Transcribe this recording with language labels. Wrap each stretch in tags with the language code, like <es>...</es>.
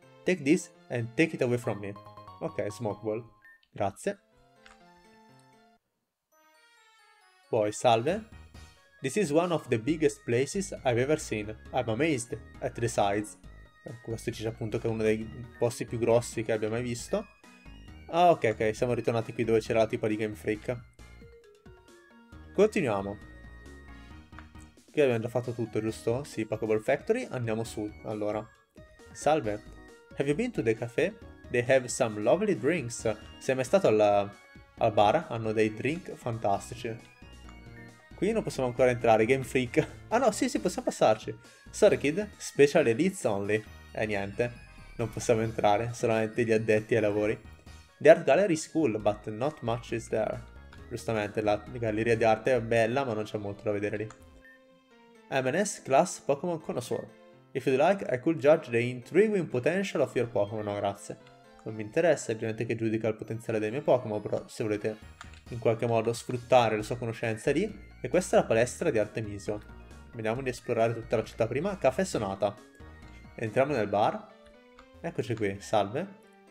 <en>Take this and take it away from me. Ok, Smoke Ball.</en> <it>Grazie. Poi, salve.</it> <en>This is one of the biggest places I've ever seen. I'm amazed at the size.</en> <it>Questo dice appunto che è uno dei posti più grossi che abbia mai visto. Ah, ok, siamo ritornati qui dove c'era la tipa di Game Freak. Continuiamo. Qui abbiamo già fatto tutto, giusto? Sì, Pokéball Factory, andiamo su, allora. Salve.</it> <en>Have you been to the cafe? They have some lovely drinks.</en> <it>Sei mai stato al bar? Hanno dei drink fantastici. Qui non possiamo ancora entrare, Game Freak. Ah no, sì, possiamo passarci.</it> <en>Sorry, kid, special elites only.</en> <it>Niente, non possiamo entrare, solamente gli addetti ai lavori.</it> <en>The art gallery is cool, but not much is there.</en> <it>Giustamente, la galleria di arte è bella, ma non c'è molto da vedere lì.</it> <en>M&S Class Pokémon Connoisseur. If you'd like, I could judge the intriguing potential of your Pokémon.</en> <it>No, grazie. Non mi interessa, è gente che giudica il potenziale dei miei Pokémon, però se volete in qualche modo sfruttare la sua conoscenza lì. E questa è la palestra di Artemisio. Vediamo di esplorare tutta la città prima. Caffè Sonata. Entriamo nel bar. Eccoci qui, salve.</it>